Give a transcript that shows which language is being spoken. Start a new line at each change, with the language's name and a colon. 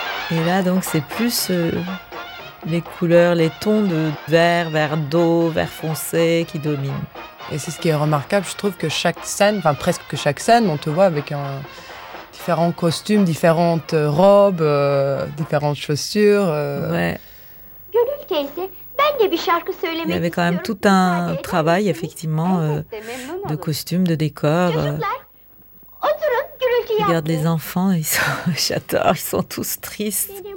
French: Et là, donc, c'est plus les couleurs, les tons de vert, vert d'eau, vert foncé qui dominent. Et c'est ce qui est remarquable. Je trouve que chaque scène, enfin presque que chaque scène, on te voit avec un... différents costumes, différentes robes, différentes chaussures. Ouais.
Turkish: Gönül teyze, ben de bir şarkı söylemek istiyorum.
French: Il y avait quand même tout un travail, effectivement, de costumes, de décors.
Turkish: Çocuklar, oturun, Gönül
French: regarde les enfants, ils sont, j'adore, ils sont tous tristes.